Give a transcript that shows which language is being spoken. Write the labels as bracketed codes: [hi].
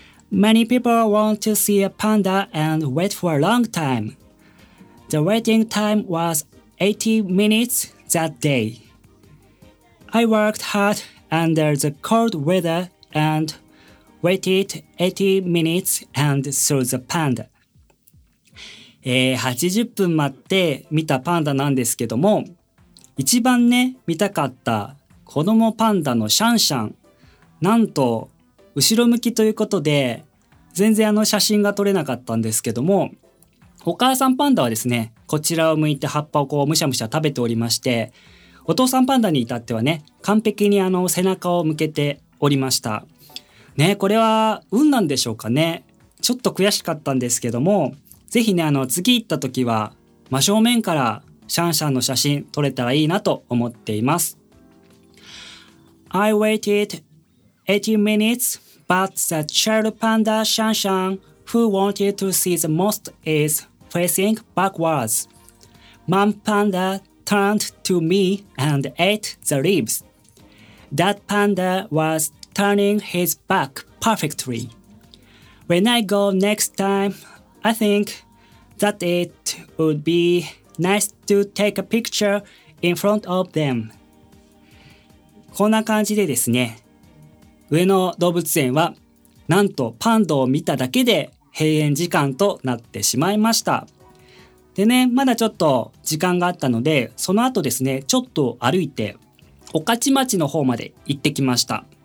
[en] Many people want to see a panda and wait for a long time. The waiting time was 80 minutes. That day, I worked hard under the cold weather and waited 80 minutes and saw the panda. [ja] 80分待って見たパンダなんですけども、一番ね、見たかった子供パンダのシャンシャン、なんと後ろ向きということで全然写真が撮れなかったんですけども、お母さんパンダはですね、こちらを向いて葉っぱをこうむしゃむしゃ食べておりまして、お父さんパンダに至ってはね、完璧に背中を向けておりました。ね、これは運なんでしょうかね。ちょっと悔しかったんですけども、ぜひね、次行った時は真正面からシャンシャンの写真撮れたらいいなと思っています。 [en] I waited 80 minutes but the child panda Shan Shan who wanted to see the most isFacing backwards, Mom Panda turned to me and ate the leaves. That panda was turning his back perfectly. When I go next time, I think that it would be nice to take a picture in front of them. [ja] こんな感じでですね、上野動物園はなんとパンダを見ただけで閉園時間となってしまいました。でね、まだちょっと時間があったので、その後ですね、ちょっと歩いて御徒町の方まで行ってきました。